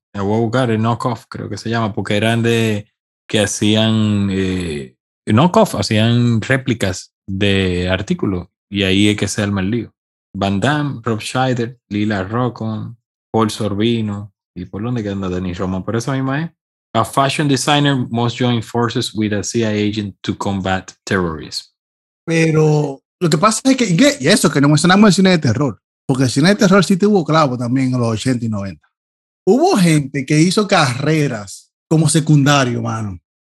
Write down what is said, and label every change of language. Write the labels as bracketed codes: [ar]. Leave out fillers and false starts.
[es] La voy a buscar, Knock Off, creo que se llama, porque eran de que hacían. Knock-off, hacían réplicas de artículos y ahí es que se arma el lío. Van Damme, Rob Schneider, Lila Rocon, Paul Sorvino y por dónde que anda Dennis Rodman, pero esa misma es. [en] A fashion designer must join forces with a CIA agent to combat terrorism. [es] Pero lo que pasa es que, y eso, que no mencionamos el cine de terror, porque el cine de terror sí tuvo clavo también en los 80 y 90. Hubo gente que hizo carreras como secundario, mano.